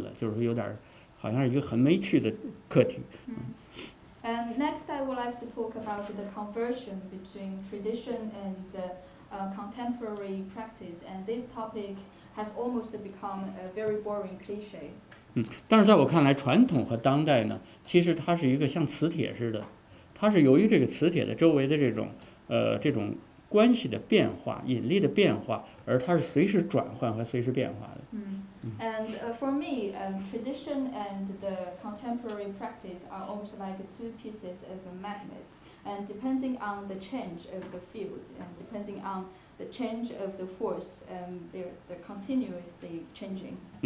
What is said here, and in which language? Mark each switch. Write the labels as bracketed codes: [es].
[zh] 这个下面我再讲一下一个下面一个问题，就是说传统与当代的一个转换关系。这个要我看呢，就是说，当然很多很多的关于传统和当代的讨论，这个话题已经被讨论有点好像有点腻了，就是说有点好像是一个很没趣的课题。 [en] And next, I would like to talk about the conversion between tradition and contemporary practice. And this topic has almost become a very boring cliche. [zh] 但是在我看来，传统和当代呢，其实它是一个像磁铁似的，它是由于这个磁铁的周围的这种关系的变化、引力的变化，而它是随时转换和随时变化的。 [en] And for me, tradition and the contemporary practice are almost like two pieces of a magnet. And depending on the change of the field, and depending on the change of the force, they're continuously changing.